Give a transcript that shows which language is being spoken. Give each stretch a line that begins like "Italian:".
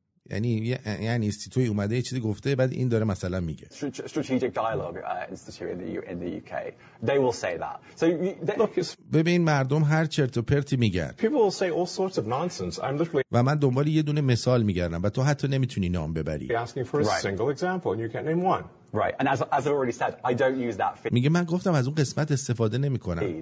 Persian: یعنی اینستیتوی اومده یه چیزی گفته بعد این داره مثلا میگه.
English: Strategic Dialogue Institute in the UK. They will say that. So look,
Persian: ببین مردم هر چرت و پرتی میگن.
English: People will say all sorts of nonsense. I'm literally.
Persian: و من دنبال یه دونه مثال میگردم و تو حتی نمیتونی نام ببری.
English: They're asking for a single example and you can't name one. Right. And as I already said, I don't use that.
Persian: میگه من گفتم از اون قسمت استفاده نمیکنم.